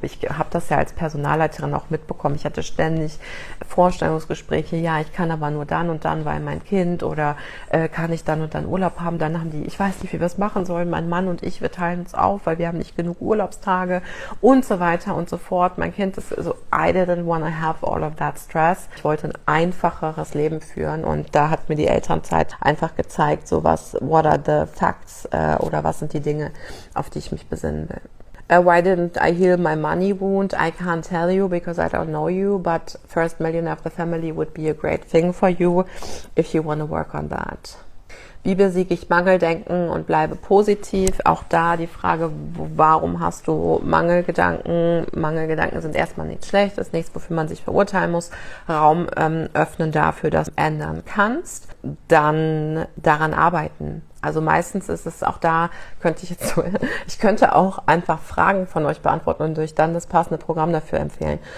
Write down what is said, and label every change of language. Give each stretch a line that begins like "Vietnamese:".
German: Ich habe das ja als Personalleiterin auch mitbekommen. Ich hatte ständig Vorstellungsgespräche. Ja, ich kann aber nur dann und dann, weil mein Kind, oder kann ich dann und dann Urlaub haben. Dann haben die, ich weiß nicht, wie wir es machen sollen. Mein Mann und ich, wir teilen uns auf, weil wir haben nicht genug Urlaubstage und so weiter und so fort. Mein Kind ist so,
English: I didn't want to have all of that stress.
German: Ich wollte ein einfacheres Leben führen und da hat mir die Elternzeit einfach gezeigt, so was,
English: what are the facts
German: oder was sind die Dinge, auf die ich mich besinnen will.
English: Why didn't I heal my money wound? I can't tell you because I don't know you, but first millionaire of the family would be a great thing for you if you want to work on that.
German: Wie besiege ich Mangeldenken und bleibe positiv? Auch da die Frage, warum hast du Mangelgedanken? Mangelgedanken sind erstmal nichts Schlechtes, nichts, wofür man sich verurteilen muss. Raum öffnen dafür, dass du ändern kannst. Dann daran arbeiten. Also meistens ist es auch da, ich könnte auch einfach Fragen von euch beantworten und euch dann das passende Programm dafür empfehlen.